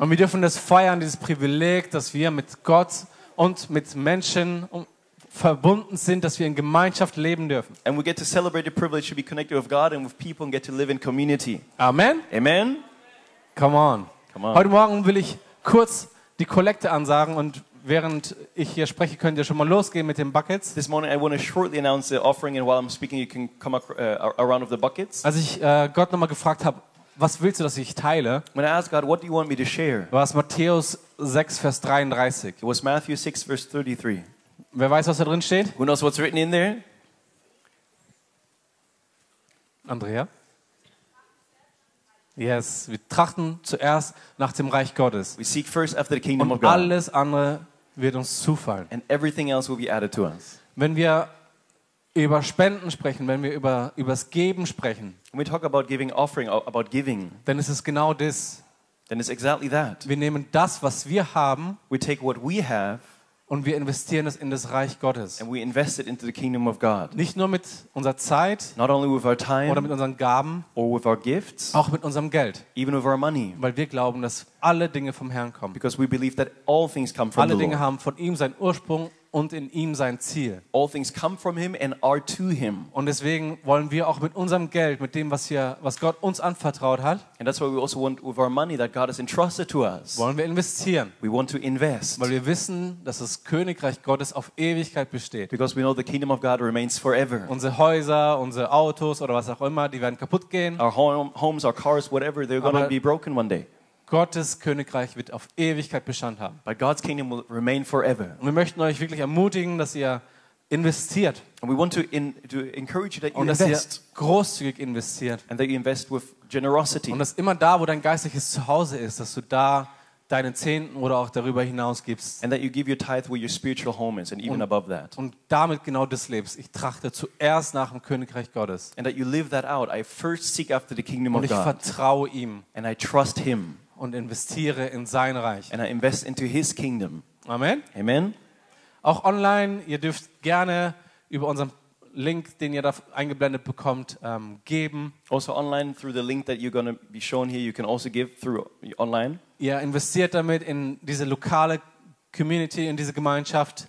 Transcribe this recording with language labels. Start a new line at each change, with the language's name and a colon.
German: Und wir dürfen das feiern, dieses Privileg, dass wir mit Gott und mit Menschen verbunden sind, dass wir in Gemeinschaft leben dürfen.
English: And we get to celebrate the privilege to be connected with God and with people and get to live in community. Amen. Amen. Come on. Come on.
German: Heute Morgen will ich kurz die Kollekte ansagen und während ich hier spreche, könnt ihr schon mal losgehen mit den Buckets.
English: This morning I want to shortly announce the offering and while I'm speaking you can come around with the buckets.
German: Als ich Gott nochmal gefragt habe, was willst du, dass ich teile?
English: When I asked God, what do you want me to share?
German: War es Matthäus 6, Vers 33.
English: It was Matthew 6, verse 33.
German: Wer weiß, was da drin steht?
English: Who knows what's written in there?
German: Andrea? Yes, wir trachten zuerst nach dem Reich Gottes.
English: We seek first after the kingdom of God.
German: Und alles andere wird uns zufallen.
English: And everything else will be added to us.
German: Wenn wir über Spenden sprechen, wenn wir über das Geben sprechen,
English: when we talk about giving offering, about giving,
German: dann ist es genau das.
English: Then it's exactly that.
German: Wir nehmen das, was wir haben,
English: we take what we have,
German: und wir investieren es in das Reich Gottes.
English: And we invest it into the kingdom of God.
German: Nicht nur mit unserer Zeit,
English: not only with our time,
German: oder mit unseren Gaben,
English: or with our gifts,
German: auch mit unserem Geld,
English: even with our money,
German: weil wir glauben, dass alle Dinge vom Herrn kommen.
English: Because we believe that all things come from
German: alle Dinge
English: the Lord.
German: Haben von ihm seinen Ursprung und in ihm sein Ziel.
English: All things come from him and are to him.
German: Und deswegen wollen wir auch mit unserem Geld, mit dem, was Gott uns anvertraut hat,
English: and that's why we also want with our money that God has entrusted to us,
German: wollen wir investieren.
English: We want to invest.
German: Weil wir wissen, dass das Königreich Gottes auf Ewigkeit besteht.
English: Because we know the kingdom of God remains forever.
German: Unsere Häuser, unsere Autos oder was auch immer, die werden kaputt gehen.
English: Our homes, our cars, whatever, they're going to be broken one day.
German: Gottes Königreich wird auf Ewigkeit Bestand haben.
English: But God's kingdom will remain forever.
German: Und wir möchten euch wirklich ermutigen, dass ihr investiert.
English: And we want to encourage you that you
German: und
English: invest.
German: Dass ihr großzügig investiert.
English: And that you invest with generosity.
German: Und dass immer da, wo dein geistliches Zuhause ist, dass du da deine Zehnten oder auch darüber hinaus gibst.
English: And that you give your tithe where your spiritual home is and even
German: und,
English: above that.
German: Und damit genau das lebst. Ich trachte zuerst nach dem Königreich Gottes.
English: And that you live that out. I first seek after the kingdom of God.
German: Und ich vertraue ihm.
English: And I trust him.
German: Und investiere in sein Reich.
English: And I invest into his kingdom.
German: Amen.
English: Amen.
German: Auch online, ihr dürft gerne über unseren Link, den ihr da eingeblendet bekommt, geben.
English: Also online through the link that you're going to be shown here, you can also give through online.
German: Ihr investiert damit in diese lokale Community, in diese Gemeinschaft.